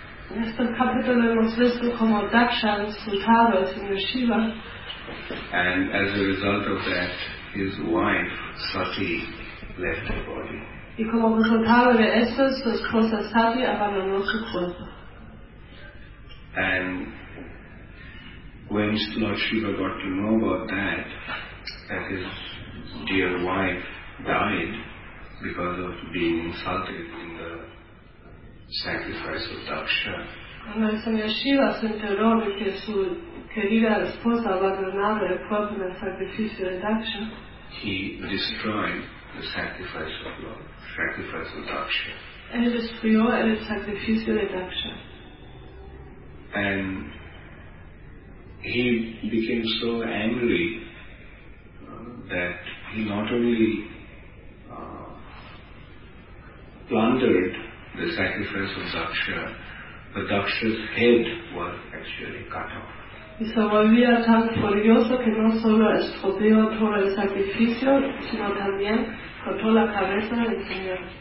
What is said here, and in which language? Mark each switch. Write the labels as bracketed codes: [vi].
[es] En este capítulo hemos visto cómo Daksha insultado al señor Shiva. [en] And as a result of that, his wife Sati left her body. [es] Y como resultado de eso, su esposa Sati abandonó su cuerpo. [en] And when Lord Shiva got to know about that, that his dear wife died because of being insulted in the sacrifice of Daksha. [es] Cuando el señor Shiva se enteró de que su querida esposa abandonaba el cuerpo en el sacrificio de Daksha, [en] he destroyed the sacrifice of Daksha. [es] Él destruyó el sacrificio de Daksha. [en] And he became so angry that he not only plundered the sacrifice of Daksha, but Daksha's head was actually cut off. [es] Y se volvía tan furioso que no solo estropeó todo el sacrificio, sino también cortó la cabeza del señor.